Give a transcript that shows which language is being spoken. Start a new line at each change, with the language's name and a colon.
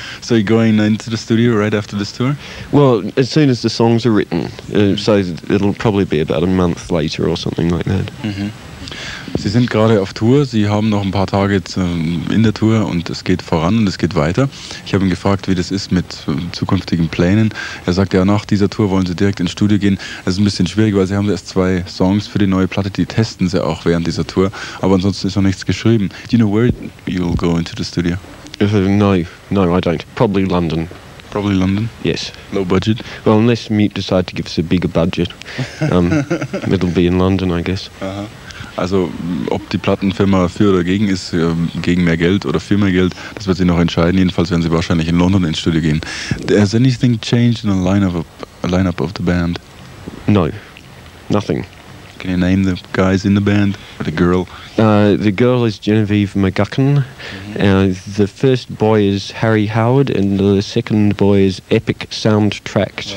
English: So you're going into the studio right after this tour? Well, as soon as the songs are written, so it'll probably be about a month later or something like that. Mm-hmm.
German: Sie sind gerade auf Tour, Sie haben noch ein paar Tage in der Tour und es geht voran und es geht weiter. Ich habe ihn gefragt, wie das ist mit zukünftigen Plänen. Er sagt, ja, nach dieser Tour wollen Sie direkt ins Studio gehen. Das ist ein bisschen schwierig, weil Sie haben erst zwei Songs für die neue Platte, die testen Sie auch während dieser Tour. Aber ansonsten ist noch nichts geschrieben.
English: Do you know where you'll go into the studio? No, I don't. Probably London. Probably London? Yes. Low budget? Well, unless Mute decide to give us a bigger budget, it'll be in London, I guess.
German: Also, ob die Plattenfirma für oder gegen ist, gegen mehr Geld oder für mehr Geld, das wird sie noch entscheiden. Jedenfalls werden sie wahrscheinlich in London ins Studio gehen.
English: Has anything changed in the lineup of the band? No. Nothing. Can you name the guys in the band? Or the girl? The girl is Genevieve McGuckin. Mm-hmm. The first boy is Harry Howard, and the second boy is Epic Soundtrack.